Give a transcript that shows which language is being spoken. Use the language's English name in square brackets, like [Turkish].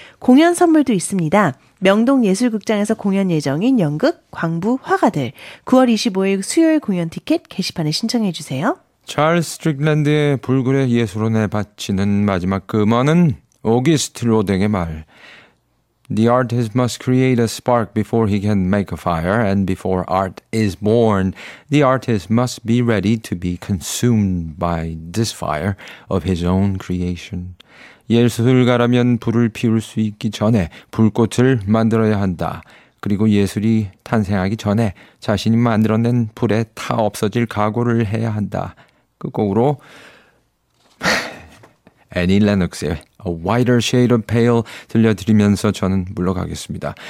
[Korean] 공연 선물도 있습니다. 명동예술극장에서 공연 예정인 연극, 광부, 화가들. 9월 25일 수요일 공연 티켓 게시판에 신청해 주세요. 찰스 스트릭랜드의 불굴의 예술원에 바치는 마지막 음원은 오기스트 로댕의 말. [English] The artist must create a spark before he can make a fire, and before art is born, the artist must be ready to be consumed by this fire of his own creation. [Korean] 예술가라면 불을 피울 수 있기 전에 불꽃을 만들어야 한다. 그리고 예술이 탄생하기 전에 자신이 만들어낸 불에 타 없어질 각오를 해야 한다. 끝곡으로 애니 레녹스의 A Whiter Shade of Pale 들려드리면서 저는 물러가겠습니다.